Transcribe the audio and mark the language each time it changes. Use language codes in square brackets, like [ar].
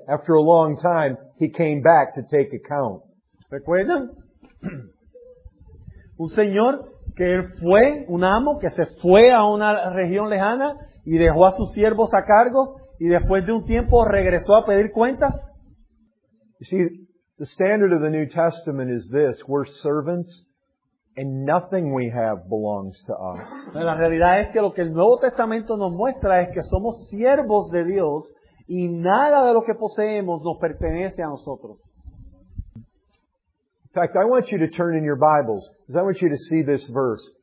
[en] After a long time, he came back to take account. [es] ¿Recuerdan? Un señor que él fue, un amo, que se fue a una región lejana y dejó a sus siervos a cargos y después de un tiempo regresó a pedir cuentas. [en] The standard of the New Testament is this: we're servants and nothing we have belongs to us. [es] La realidad es que lo que el Nuevo Testamento nos muestra es que somos siervos de Dios y nada de lo que poseemos nos pertenece a nosotros. [en] In fact, I want you to turn in your Bibles because I want you to see this verse.